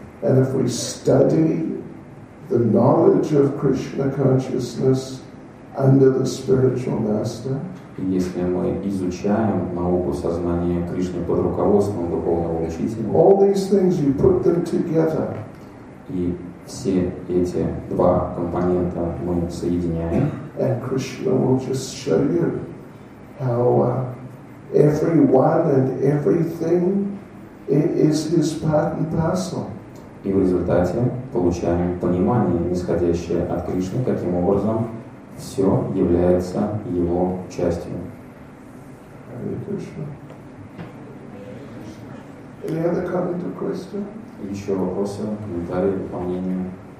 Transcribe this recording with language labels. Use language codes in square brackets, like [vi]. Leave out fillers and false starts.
[en] And if we study the knowledge of Krishna consciousness under the spiritual master, [ru] и если мы изучаем науку сознания Кришны под руководством духовного учителя, [en] all these things, you put them together, [ru] и все эти два компонента мы соединяем. [en] And Krishna will just show you how everyone and everything is his part and parcel. [ru] И в результате получаем понимание, исходящее от Кришны, каким образом все является его частью. [en] Hare Krishna. Any other comment or question? [ru] Еще вопросы, комментарии, дополнения?